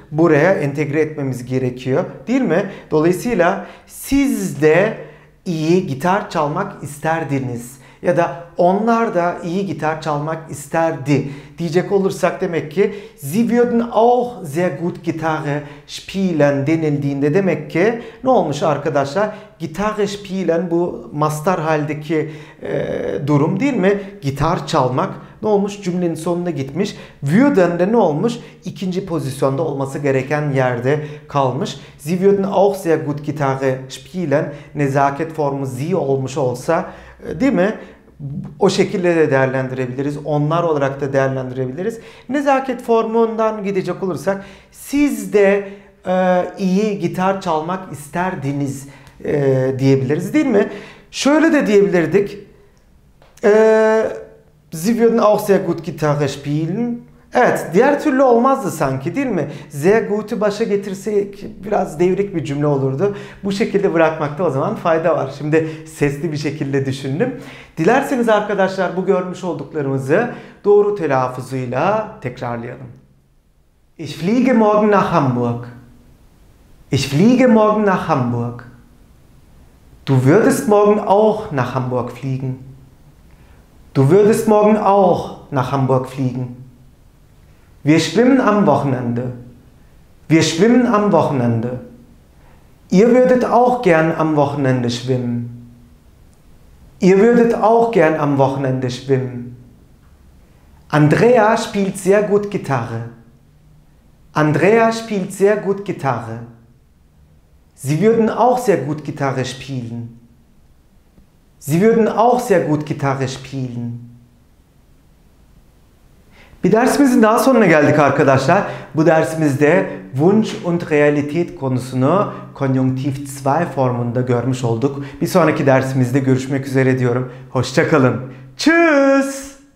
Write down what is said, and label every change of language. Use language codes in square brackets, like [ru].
[tr] Buraya entegre etmemiz gerekiyor, değil mi? Dolayısıyla siz de iyi gitar çalmak isterdiniz ya da onlar da iyi gitar çalmak isterdi diyecek olursak demek ki [de] sie würden auch sehr gut Gitarre spielen [tr] denildiğinde demek ki ne olmuş arkadaşlar? [de] Gitarre spielen [tr] bu mastar haldeki durum, değil mi? Gitar çalmak ne olmuş? Cümlenin sonuna gitmiş. Würden de ne olmuş? İkinci pozisyonda olması gereken yerde kalmış. [de] Sie würden auch sehr gut Gitarre spielen. [tr] Nezaket formu sie olmuş olsa, değil mi? O şekilde de değerlendirebiliriz. Onlar olarak da değerlendirebiliriz. Nezaket formundan gidecek olursak siz de iyi gitar çalmak isterdiniz diyebiliriz, değil mi? Şöyle de diyebilirdik. [de] Sie würden auch sehr gut Gitarre spielen. [tr] Evet, diğer türlü olmazdı sanki, değil mi? Sehr gut'u başa getirsek biraz devrik bir cümle olurdu. Bu şekilde bırakmakta o zaman fayda var. Şimdi sesli bir şekilde düşündüm. Dilerseniz arkadaşlar bu görmüş olduklarımızı doğru telaffuzuyla tekrarlayalım. [de] Ich fliege morgen nach Hamburg. Ich fliege morgen nach Hamburg. Du würdest morgen auch nach Hamburg fliegen. Du würdest morgen auch nach Hamburg fliegen. Wir schwimmen am Wochenende. Wir schwimmen am Wochenende. Ihr würdet auch gern am Wochenende schwimmen. Ihr würdet auch gern am Wochenende schwimmen. Andrea spielt sehr gut Gitarre. Andrea spielt sehr gut Gitarre. Sie würden auch sehr gut Gitarre spielen. Sie würden auch sehr gut Gitarre spielen. [tr] Bir dersimizin daha sonuna geldik arkadaşlar. Bu dersimizde [de] Wunsch und Realität [tr] konusunu Konjunktiv 2 formunda görmüş olduk. Bir sonraki dersimizde görüşmek üzere diyorum. Hoşça kalın. Tschüss.